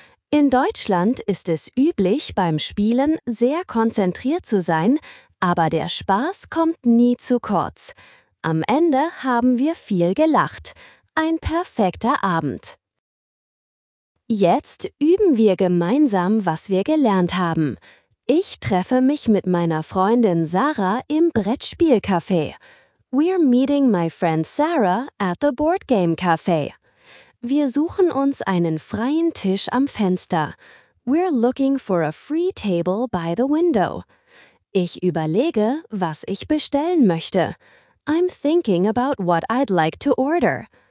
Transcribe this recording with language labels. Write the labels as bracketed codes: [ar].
[de] In Deutschland ist es üblich, beim Spielen sehr konzentriert zu sein, aber der Spaß kommt nie zu kurz. Am Ende haben wir viel gelacht. Ein perfekter Abend. Jetzt üben wir gemeinsam, was wir gelernt haben. Ich treffe mich mit meiner Freundin Sarah im Brettspielcafé. [en] We're meeting my friend Sarah at the Board Game Café. [de] Wir suchen uns einen freien Tisch am Fenster. [en] We're looking for a free table by the window. [de] Ich überlege, was ich bestellen möchte. [en] I'm thinking about what I'd like to order.